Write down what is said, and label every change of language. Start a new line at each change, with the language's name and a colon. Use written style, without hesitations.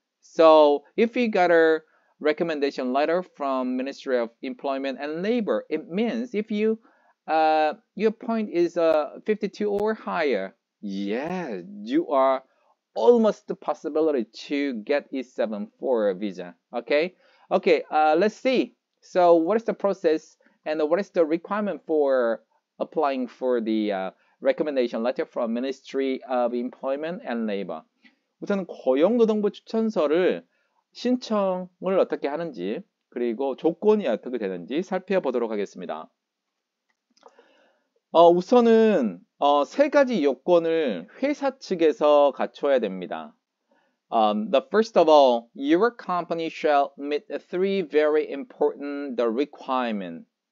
English: So if you got a recommendation letter from Ministry of Employment and Labor, it means if you your point is 52 or higher, yeah, you are almost the possibility to get E7-4 visa. Okay, let's see. So what is the process and what is the requirement for applying for the recommendation letter from Ministry of Employment and Labor?
Korean: 우선 고용노동부 추천서를 신청을 어떻게 하는지 그리고 조건이 어떻게 되는지 살펴보도록 하겠습니다. 우선은 세 가지 요건을 회사 측에서 갖춰야 됩니다.
English: The first of all, your company shall meet three very important the requirements.